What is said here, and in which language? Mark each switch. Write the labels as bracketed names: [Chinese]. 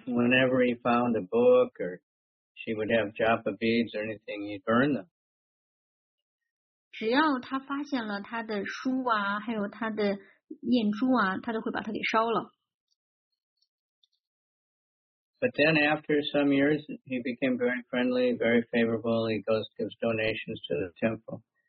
[English] whenever he found a book or she would have japa beads or anything, he'd burn them. [Chinese] 只要他发现了他的书啊，还有他的 念珠啊，他都会把它给烧了。But [English] then after some years, he became very friendly, very favorable. He goes gives donations to the temple.